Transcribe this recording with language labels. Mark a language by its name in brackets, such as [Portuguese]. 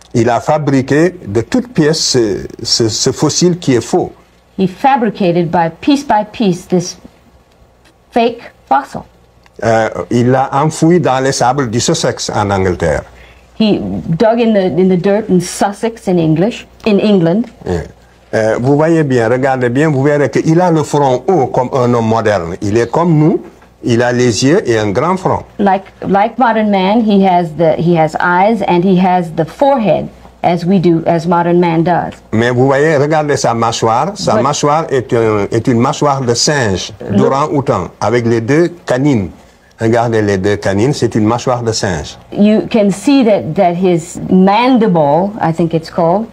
[French] Il a fabriqué de toute pièce ce fossile qui est faux. [English] He fabricated by piece this fake fossil. [French] Il l'a enfoui dans les sables du Sussex en Angleterre. [English] He dug in the dirt in Sussex in England. Yeah. [French] Vous voyez bien, regardez bien, vous verrez qu'il a le front haut comme un homme moderne. Il est comme nous, il a les yeux et un grand front. [English] Like modern man, he has eyes and he has the forehead as we do, as modern man does. [French] Mais vous voyez, regardez sa mâchoire. Sa mâchoire est une mâchoire de singe, d'orang-outan, avec les deux canines. Regardez les deux canines, c'est une mâchoire de singe. [English] You can see that his mandible, I think it's called,